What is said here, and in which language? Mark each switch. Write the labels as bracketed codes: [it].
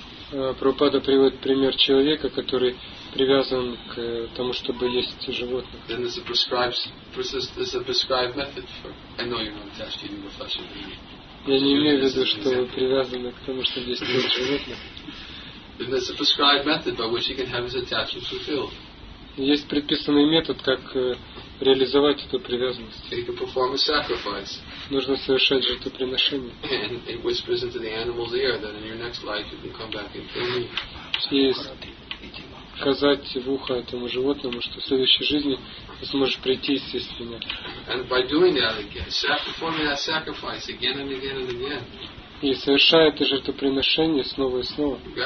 [ru] Прабхупада приводит пример человека, который привязан к тому, чтобы есть животных. [en] Then there's a prescribed method for. I know you're not attached to eating the flesh of the meat. [ru] Я не имею в виду, что вы привязаны к тому, чтобы есть животных. [en] Then there's a prescribed method by which he can have his attachment fulfilled. [ru] Есть предписанный метод, как реализовать эту привязанность. [en] He can perform a sacrifice. [ru] Нужно совершать жертвоприношение. [en] And it whispers into the animal's ear that in your next life you can come back and kill me. [ru] И сказать в ухо этому животному, что в следующей жизни ты сможешь прийти и съесть меня. [en] And by doing that again, performing that sacrifice again and again and again. [ru] И совершая это жертвоприношение снова и снова,